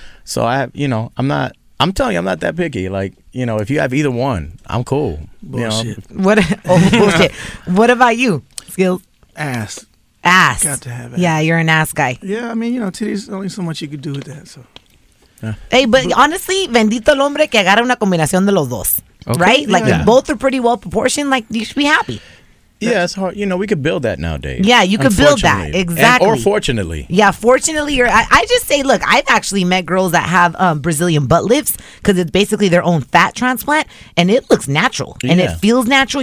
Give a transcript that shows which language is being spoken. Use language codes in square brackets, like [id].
[en] So I have, you know, I'm telling you, I'm not that picky. Like, you know, if you have either one, I'm cool. Bullshit. What about you, Skills? Ass. ass. Got to have ass. Yeah, you're an ass guy. Yeah, I mean, you know, titties, only so much you could do with that, so. Hey, but honestly, [es] bendito el hombre que agarra una combinación de los dos. [en] Okay. Right? Yeah. Like, yeah. Both are pretty well proportioned. Like, you should be happy. Yeah, it's hard. You know, we could build that nowadays. Yeah, you could build that. Exactly. Or fortunately. Yeah, fortunately. I just say, look, I've actually met girls that have Brazilian butt lifts because it's basically their own fat transplant, and it looks natural. Yeah. And it feels natural.